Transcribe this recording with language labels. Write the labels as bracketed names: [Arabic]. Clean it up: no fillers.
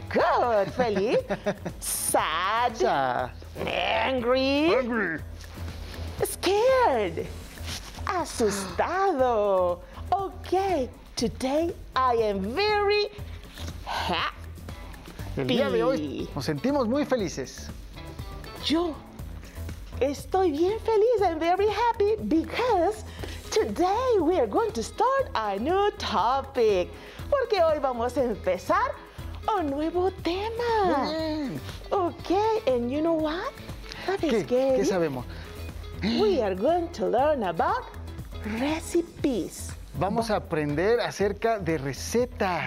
[English] Good. Feliz. Sad. Angry. Angry. Scared. Asustado. Okay. Today, I am very happy. [Spanish] El día de hoy, nos sentimos muy felices. Yo estoy bien feliz [English] and very happy because today we are going to start a new topic. [Spanish] Porque hoy vamos a empezar un nuevo tema. [English] Okay, and you know what? [Spanish] ¿Qué sabemos? [English] We are going to learn about recipes. [Spanish] Vamos a aprender acerca de recetas.